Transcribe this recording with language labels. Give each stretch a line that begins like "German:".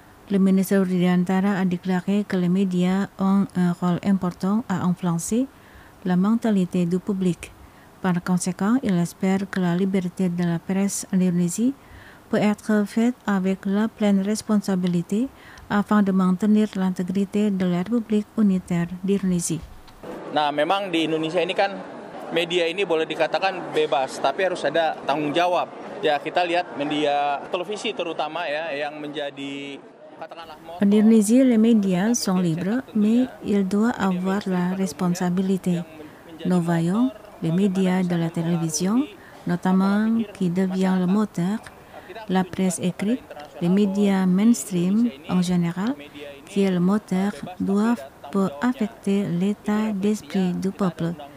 French: Le ministre Rudiantara a déclaré que les médias ont un rôle important à influencer la mentalité du public. Par conséquent, il espère que la liberté de la presse en Indonésie peut être faite avec la pleine responsabilité afin de maintenir l'intégrité de la République unitaire d'Indonésie.
Indonesian: Nah, memang di Indonesia ini kan media ini boleh dikatakan bebas, tapi harus ada tanggung jawab. Ya, kita lihat media televisi terutama ya yang menjadi katakanlah motor.
French: Indonesia, les médias sont libres, mais ils doivent avoir la responsabilité. Nous voyons les médias de la télévision, notamment qui devient le moteur, la presse écrite, les médias mainstream en général, qui est le moteur, doivent pour affecter l'état d'esprit du peuple.